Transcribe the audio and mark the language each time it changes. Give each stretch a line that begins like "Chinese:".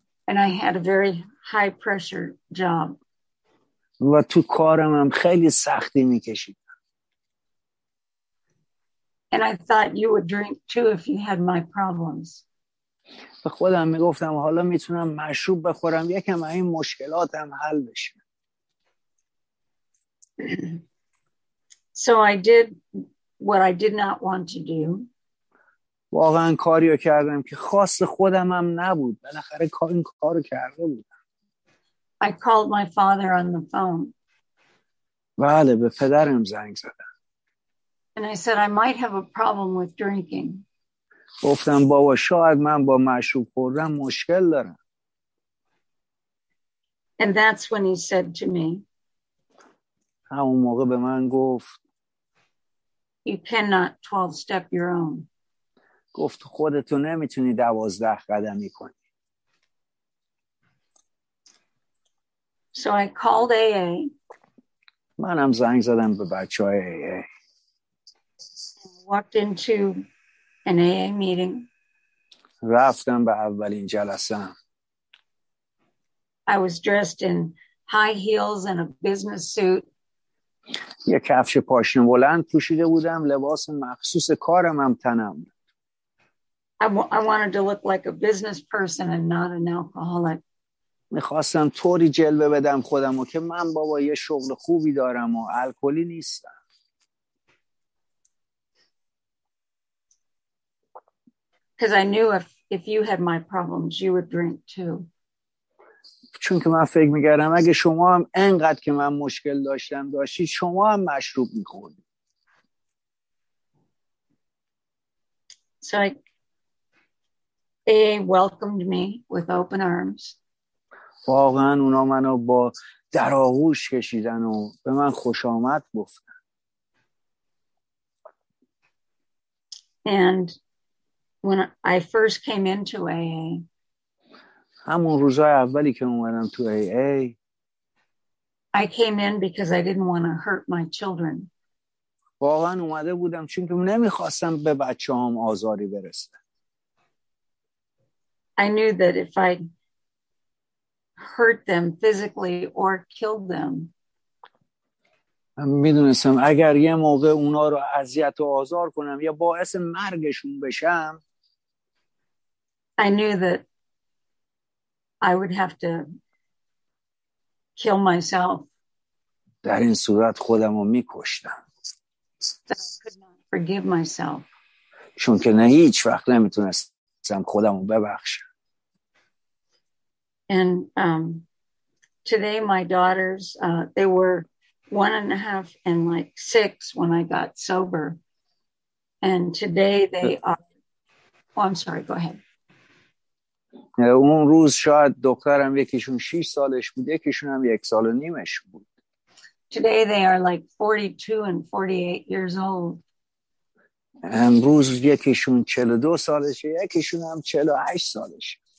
English: And I had a very high pressure job.
Persian: و تو کارم هم خیلی سختی میکشید.
English: And I thought you would drink too if you had my problems.
Persian: به خودم میگفتم حالا میتونم مشروب بخورم یکم این مشکلاتم حل بشه.
English: So I did what I did not want to do.
Persian: واقعا کاریو کردم که خواست خودم هم نبود. بالاخره این کارو کرده بودم.
English: I called my father on the phone.
Persian: بله به پدرم زنگ زدم.
English: And I said I might have a problem with drinking.
Persian: گفتم بابا شاید من با مشروب خوردن مشکل دارم.
English: And that's when he said to me.
Persian: همون موقع به من گفت.
English: You cannot 12 step your own.
Persian: گفت خودتو نمیتونی 12 قدمی کنی.
English: So I called AA.
Persian: منم زنگ زدم به بچهای AA.
English: Walked into an AA meeting.
Persian: رفتم به اولین جلسه‌ام.
English: I was dressed in high heels and a business suit.
Persian: یه کفش پاشن بلند پوشیده بودم، لباس مخصوص کارم هم تنم.
English: I wanted to look like a business person and not an alcoholic.
Persian: می‌خواستم طوری جلوه بدم خودمو که من بابا یه شغل خوبی دارم و الکلی نیستم.
English: Cuz I knew if you had my problems you would drink too.
Persian: چون که من فکر می‌کردم اگه شما هم انقدر که من مشکل داشتم داشتید شما هم مشروب می‌خوردید.
English: So AA welcomed me with open arms.
Persian: واقعا اونا منو با در آغوش کشیدن و به من خوش آمد گفتن.
English: And when I first came into AA,
Persian: همون روزای اولی که اومدم تو AA,
English: I came in because I didn't want to hurt my children.
Persian: واقعا اومده بودم چون که نمیخواستم به بچه هم آزاری برسه.
English: I knew that if I hurt them physically or killed them,
Persian: میدونستم اگر یه موقع اونا رو اذیت و آزار کنم یا باعث مرگشون بشم,
English: I knew that I would have to kill myself.
Persian: در این صورت خودم رو میکشتم.
English: I could not forgive myself.
Persian: چون که نه هیچ وقت نمیتونستم خودم رو ببخشم.
English: And today my daughters, they were 1.5 and like 6 when I got sober. And today they are, oh, I'm sorry, go ahead.
Persian: اون روز شاید دخترم یکیشون 6 سالش بود, یکیشون هم 1 سال و نیمش بود.
English: Today they are like 42 and 48 years old.
Persian: امروز یکیشون 42 سالشه, یکیشون هم 48 سالشه.